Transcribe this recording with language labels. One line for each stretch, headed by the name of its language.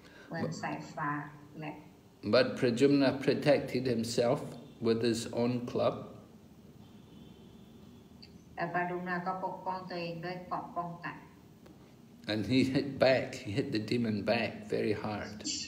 English: But Pradyumna protected himself with his own club.
Thai: Pradyumna ก็ปกป้องตัวเองด้วยเกราะป้องกัน.
English: And he hit back, he hit the demon back very hard.